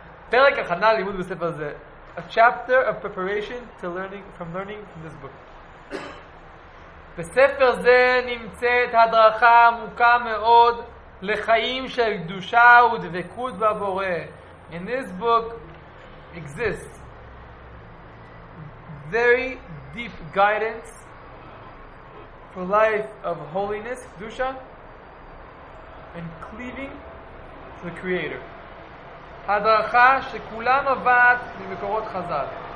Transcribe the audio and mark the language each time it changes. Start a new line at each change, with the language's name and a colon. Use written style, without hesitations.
English: He gave us dessert, now we're getting the meat. A chapter of preparation to learning from this book.
Hebrew: בספר זה נמצאת הדרכה עמוקה מאוד לחיים של קדושה ודבקות בבורא.
English: In this book exists very deep guidance for life of holiness, kedusha, and cleaving to the Creator.
Hebrew: Hadracha shekula novat mimekorot chazal.